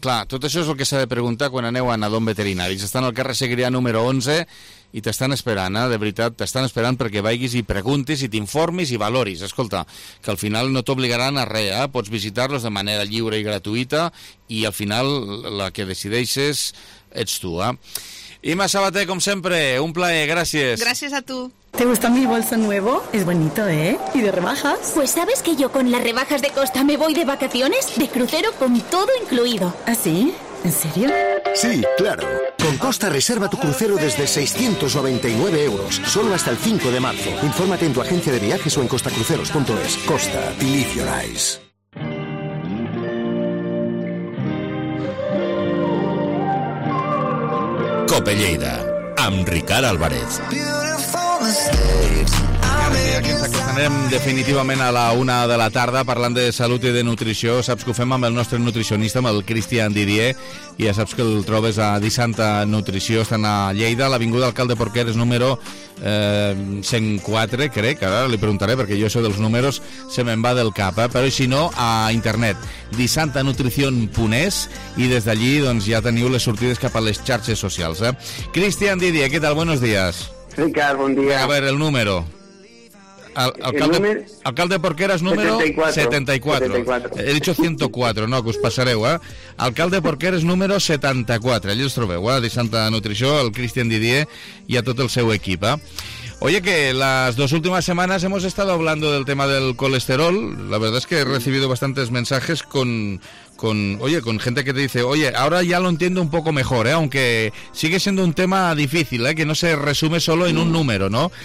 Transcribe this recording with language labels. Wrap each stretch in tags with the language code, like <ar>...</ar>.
<ca>Clar, tot això és el que s'ha de preguntar quan aneu a Nadon Veterinari. Estan al carrer Segrià número 11 i t'estan esperant, eh? De veritat, t'estan esperant perquè vagis i preguntis i t'informis i valoris. Escolta, que al final no t'obligaran a res, eh? Pots visitar-los de manera lliure i gratuïta i al final la que decideixes ets tu, eh? Ima Sabater, com sempre, un plaer, gràcies. Gràcies a tu.</ca> <es>¿Te gusta mi bolso nuevo? Es bonito, ¿eh? ¿Y de rebajas? Pues sabes que yo con las rebajas de Costa me voy de vacaciones, de crucero con todo incluido. ¿Ah, sí? ¿En serio? Sí, claro. Con Costa reserva tu crucero desde 699 euros, solo hasta el 5 de marzo. Infórmate en tu agencia de viajes o en costacruceros.es.</es> <en>Costa, Believe Your Eyes.</en> <ca>Cope Lleida, amb Ricard Álvarez. Aquesta cosa anem definitivament a la una de la tarda parlant de salut i de nutrició. Saps que ho fem amb el nostre nutricionista, amb el Cristian Didier, i ja saps que el trobes a Disanta Nutrició, estan a Lleida, l'avinguda Alcalde Porqueres número 104, crec, ara li preguntaré perquè jo això dels números se me'n va del cap, eh? Però si no, a internet disantanutricion.es, i des d'allí doncs, ja teniu les sortides cap a les xarxes socials, eh? Cristian Didier, què tal?</ca> <es>Buenos días.</es> <ca>Ricard, bon dia. A veure, el número. Alcalde Porqueras, número 74.</ca> <es>He dicho 104,</es> <ca>no, que us passareu, eh? Alcalde Porqueras, número 74. Allí els trobeu, eh? De Santa Nutrició, el Cristian Didier i a tot el seu equip, eh?</ca> <es>Oye, que las dos últimas semanas hemos estado hablando del tema del colesterol. La verdad es que he recibido bastantes mensajes con gente que te dice, oye, ahora ya lo entiendo un poco mejor, ¿eh? Aunque sigue siendo un tema difícil, ¿eh? Que no se resume solo en un número, ¿no?</es>